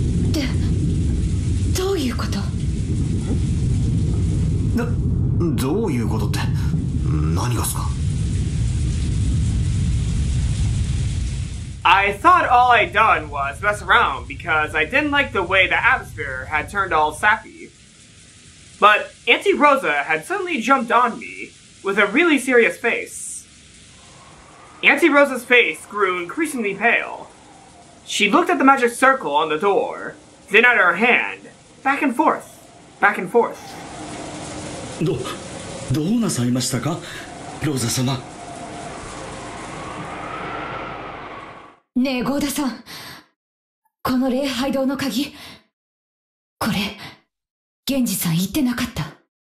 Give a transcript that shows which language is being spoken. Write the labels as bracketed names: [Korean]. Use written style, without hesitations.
[Japanese] でどういうこと。どういうことって何がすか。 [English] I thought all I'd done was mess around because I didn't like the way the atmosphere had turned all sappy. But Auntie Rosa had suddenly jumped on me with a really serious face. Auntie Rosa's face grew increasingly pale. She looked at the magic circle on the door, then at her hand, back and forth, back and forth. [Japanese] どうなさいましたか、ローザ様。ねえ、ゴーダさん。この礼拝堂の鍵、これ、ゲンジさん言ってなかった。